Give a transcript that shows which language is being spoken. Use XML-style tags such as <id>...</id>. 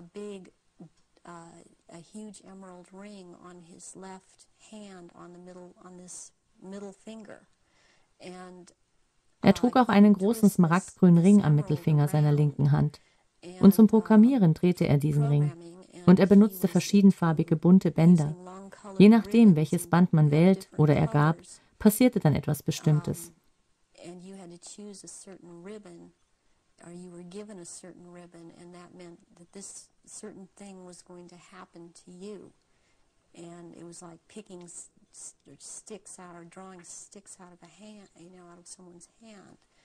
<en>He would wear a huge emerald ring on his left hand on this middle finger. And</en> <de>er trug auch einen großen smaragdgrünen Ring am Mittelfinger seiner linken Hand. Und zum Programmieren drehte er diesen Ring. Und er benutzte verschiedenfarbige bunte Bänder. Je nachdem, welches Band man wählt oder er gab, passierte dann etwas Bestimmtes.</de> <en>And you had to choose a certain ribbon. or you were given a certain ribbon, and that meant that this certain thing was going to happen to you. And it was like picking sticks out or drawing sticks out of a hand, you know, out of someone's hand.</en>